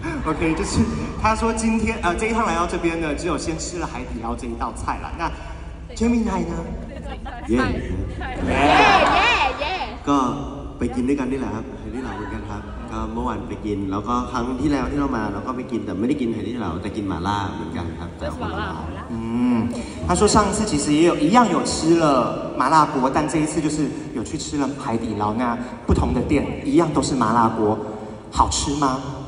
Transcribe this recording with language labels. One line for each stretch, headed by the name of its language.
Chinese: โอเค就是他说今天这一趟来到这边呢只有先吃了海底捞这一道菜了那Gemini呢
Thai: Yeah ก็ไปกินด้วยกันนี่แหละครับไฮตี้เหลาเหมือนกันครับก็เมื่อวานไปกินแล้วก็ครั้งที่แล้วที่เรามาเราก็ไปกินแต่ไม่ได้กินไฮตี้เหลาแต่กินหม่าล่าเหมือนกันครับแต่คนละร้าน ถ้าช่วง
Chinese: 上次其实也有一样有吃了麻辣锅但这一次就是有去吃了海底捞那不同的店一样都是麻辣锅好吃吗